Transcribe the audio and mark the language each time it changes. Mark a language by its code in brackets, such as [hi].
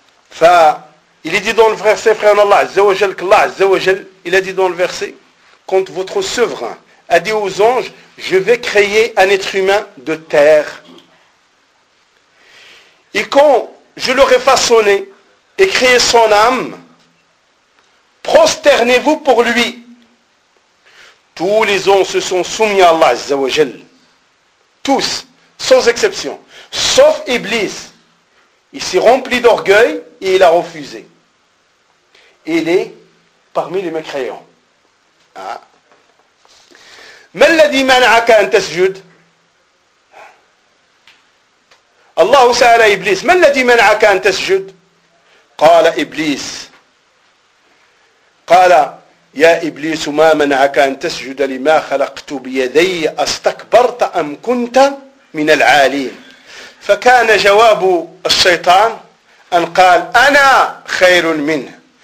[fr] ف il est dit dans le verset frère en Allah [ar] عز وجل الله عز وجل [fr] il a dit dans le verset quand votre souverain a dit aux anges « Je vais créer un être humain de terre. » Et quand je l'aurai façonné et créé son âme, prosternez-vous pour lui. Tous les anges se sont soumis à Allah, Azza wa Jal. Tous, sans exception. Sauf Iblis. Il s'est rempli d'orgueil et il a refusé. Il est parmi les mécréants. [ar] ما الذي منعك أن تسجد؟ الله سأل إبليس ما الذي منعك أن تسجد؟ قال إبليس قال يا إبليس ما منعك أن تسجد لما خلقت بيدي أستكبرت أم كنت من العالين؟ فكان جواب الشيطان أن قال أنا خير منه